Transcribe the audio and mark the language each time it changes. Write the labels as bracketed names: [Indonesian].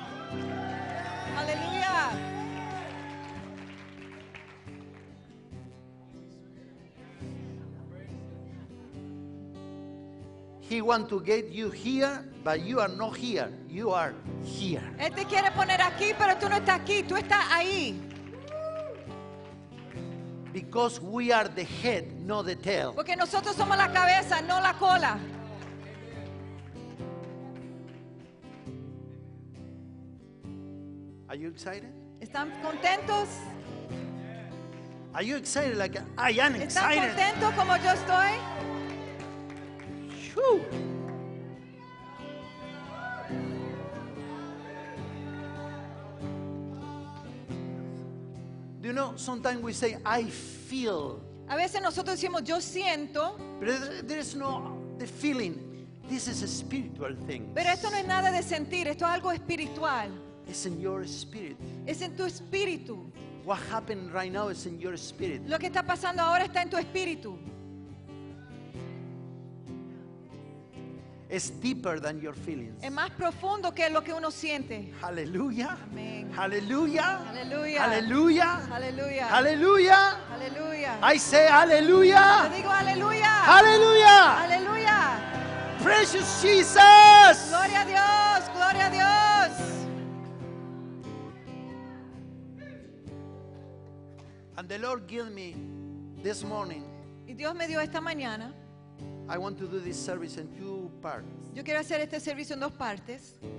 [Spanish] Aleluya. [English] He wants to get you here, but you are not here. You are here. [Spanish] Él te quiere poner aquí, pero tú no estás aquí. Tú estás ahí. [English] Because we are the head, not the tail. [Spanish] Porque nosotros somos la cabeza, no la cola. [English] Are you excited? [Spanish] ¿Están contentos? [English] Are you excited like I am excited? [Spanish] ¿Están contentos como yo estoy? [English] Do you know, sometimes we say I feel. [Spanish] A veces nosotros decimos yo siento. [English] But there is no the feeling. This is a spiritual thing. [Spanish] Pero esto no es nada de sentir, esto es algo espiritual. [English] It's in your spirit. [Spanish] Es en tu espíritu. [English] What happened right now is in your spirit. [Spanish] Lo que está pasando ahora está en tu espíritu. [English] It's deeper than your feelings. [Spanish] Es más profundo que lo que uno siente. [English] Hallelujah. Amen. Hallelujah. Hallelujah. Hallelujah. Hallelujah. Hallelujah. Hallelujah. I say hallelujah. [Spanish] Yo digo hallelujah. [English] Hallelujah. Hallelujah. Precious Jesus. [Spanish] Gloria a Dios. Gloria a Dios. [English] And the Lord gave me this morning. [Spanish] Y Dios me dio esta mañana. [English] I want to do this service in two parts. [Spanish] Yo quiero hacer este servicio en dos partes.